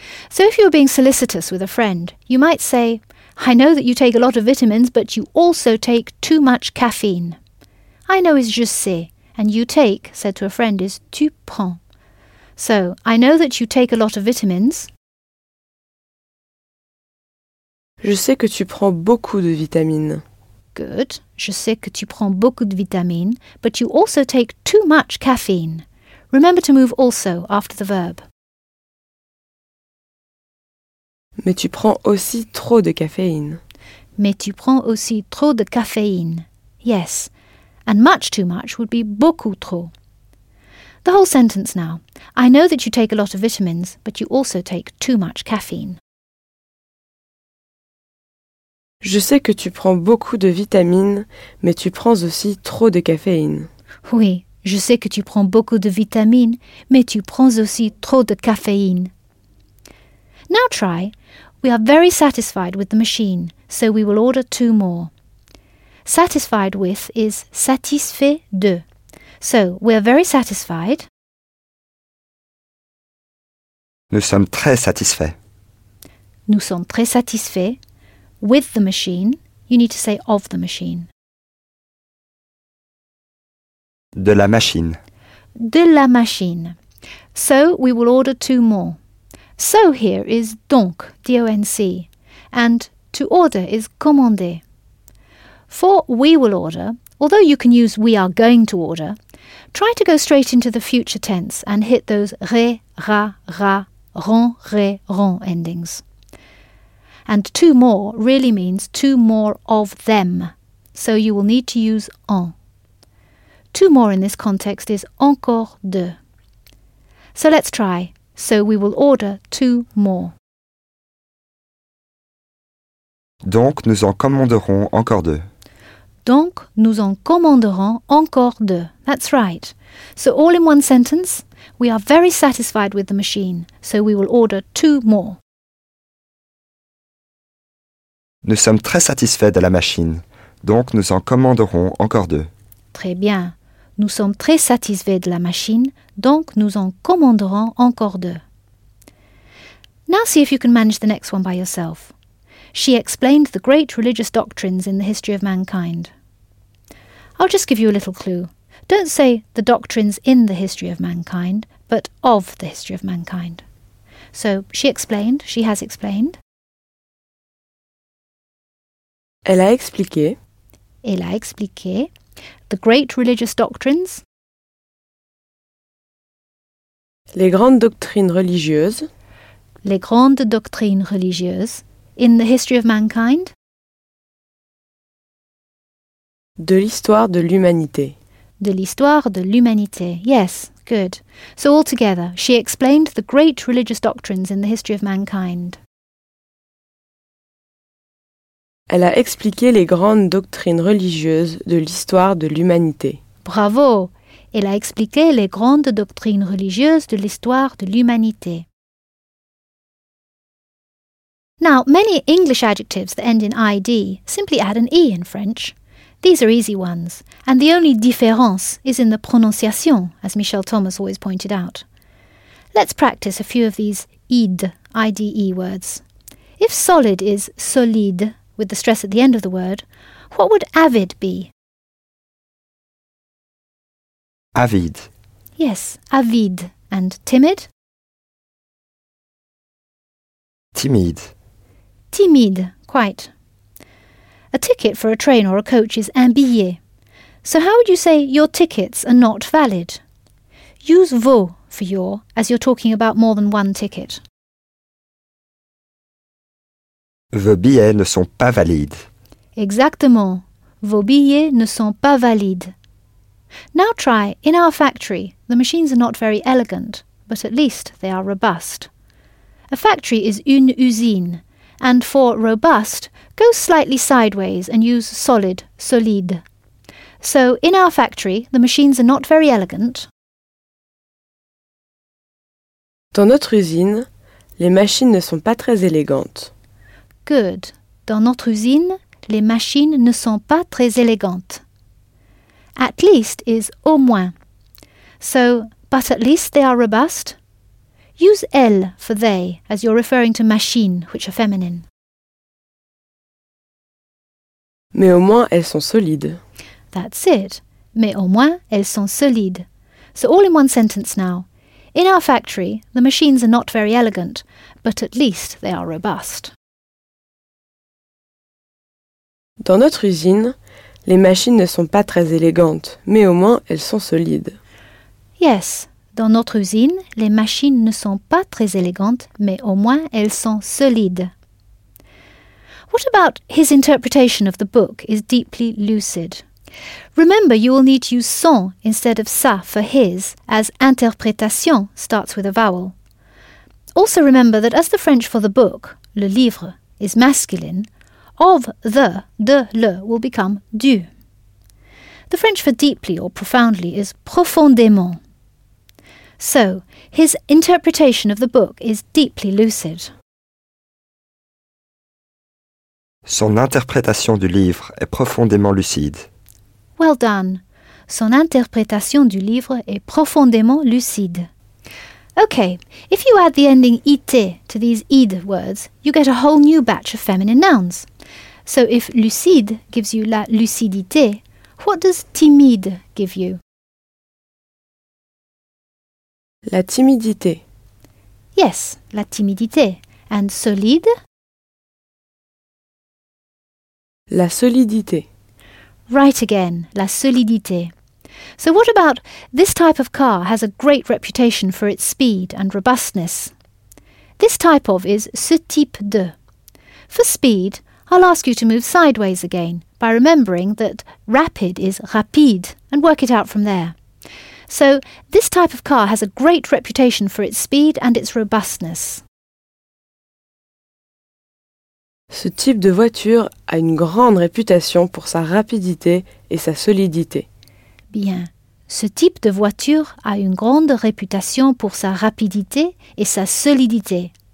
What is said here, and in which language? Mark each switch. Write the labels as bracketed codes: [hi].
[en] So if you're being solicitous with a friend, you might say, I know that you take a lot of vitamins, but you also take too much caffeine. [fr] I know is je sais, [en] and you take, said to a friend, is [fr] tu prends. [en] So, I know that you take a lot of vitamins. [fr] Je sais que tu prends beaucoup de vitamines. [en] Good. [fr] Je sais que tu prends beaucoup de vitamines, [en] but you also take too much caffeine. Remember to move also after the verb. [fr] Mais tu prends aussi trop de caféine. Mais tu prends aussi trop de caféine. [en] Yes. And much too much would be [fr] beaucoup trop. [en] The whole sentence now. I know that you take a lot of vitamins, but you also take too much caffeine. [fr] Je sais que tu prends beaucoup de vitamines, mais tu prends aussi trop de caféine. Oui, je sais que tu prends beaucoup de vitamines, mais tu prends aussi trop de caféine. [en] Now try. We are very satisfied with the machine, so we will order two more. Satisfied with is [fr] satisfait de. [en] So, we are very satisfied. [fr] Nous sommes très satisfaits. Nous sommes très satisfaits. [en] With the machine, you need to say of the machine. [fr] De la machine. De la machine. [en] So, we will order two more. So here is donc, D-O-N-C, and to order is commander. For we will order, although you can use we are going to order, try to go straight into the future tense and hit those ré, ra, ra, ron, ré, ron endings. And two more really means two more of them, so you will need to use en. Two more in this context is [fr] encore deux. [en] So let's try. So we will order two more. [fr] Donc nous en commanderons encore deux. Donc nous en commanderons encore deux. [en] That's right. So all in one sentence, we are very satisfied with the machine, so we will order two more. [fr] Nous sommes très satisfaits de la machine, donc nous en commanderons encore deux. Très bien. Nous sommes très satisfaits de la machine, donc nous en commanderons encore deux. [en] Now see if you can manage the next one by yourself. She explained the great religious doctrines in the history of mankind. I'll just give you a little clue. Don't say the doctrines in the history of mankind, but of the history of mankind. So, she explained, she has explained. [fr] Elle a expliqué. Elle a expliqué. [en] The great religious doctrines. [fr] Les grandes doctrines religieuses. Les grandes doctrines religieuses. [en] In the history of mankind. [fr] De l'histoire de l'humanité. De l'histoire de l'humanité. [en] Yes, good. So altogether, she explained the great religious doctrines in the history of mankind. [fr] Elle a expliqué les grandes doctrines religieuses de l'histoire de l'humanité. Bravo! Elle a expliqué les grandes doctrines religieuses de l'histoire de l'humanité. [en] Now, many English adjectives that end in ID simply add an E in French. These are easy ones, and the only différence is in the prononciation, as Michel Thomas always pointed out. Let's practice a few of these ID, I-D-E words. If solid is solide, with the stress at the end of the word, what would avid be? Avid. Yes, avid. And timid? Timid. Timid, quite. A ticket for a train or a coach is [fr] un billet. [en] So how would you say your tickets are not valid? Use vos for your, as you're talking about more than one ticket. [fr] Vos billets ne sont pas valides. Exactement. Vos billets ne sont pas valides. [en] Now try, in our factory, the machines are not very elegant, but at least they are robust. A factory is [fr] une usine, [en] and for robust, go slightly sideways and use solid, solide. So, in our factory, the machines are not very elegant. [fr] Dans notre usine, les machines ne sont pas très élégantes. [en] Good. [fr] Dans notre usine, les machines ne sont pas très élégantes. [en] At least is [fr] au moins. [en] So, but at least they are robust. Use elles for they, as you're referring to machines, which are feminine. [fr] Mais au moins elles sont solides. [en] That's it. [fr] Mais au moins elles sont solides. [en] So all in one sentence now. In our factory, the machines are not very elegant, but at least they are robust. [fr] Dans notre usine, les machines ne sont pas très élégantes, mais au moins elles sont solides. Yes, dans notre usine, les machines ne sont pas très élégantes, mais au moins elles sont solides. [en] What about his interpretation of the book is deeply lucid? Remember, you will need to use son instead of ça for his, as interprétation starts with a vowel. Also remember that as the French for the book, [fr] le livre, [en] is masculine, of the, [fr] de le, [en] will become du. The French for deeply or profoundly is profondément. So, his interpretation of the book is deeply lucid. [fr] Son interprétation du livre est profondément lucide. [en] Well done. [fr] Son interprétation du livre est profondément lucide. [en] Okay, if you add the ending it to these id words, you get a whole new batch of feminine nouns. So if lucide gives you [fr] la lucidité, [en] what does timide give you? [fr] La timidité. Yes, la timidité. And solide? La solidité. [en] Right again, [fr] la solidité. [en] So what about this type of car has a great reputation for its speed and robustness? This type of is [fr] ce type de. [en] For speed, I'll ask you to move sideways again by remembering that rapid is rapide and work it out from there. So this type of car has a great reputation for its speed and its robustness. [fr] Ce type de voiture a une grande réputation pour sa rapidité et sa solidité. Bien. Ce type de voiture a une grande réputation pour sa rapidité et sa solidité.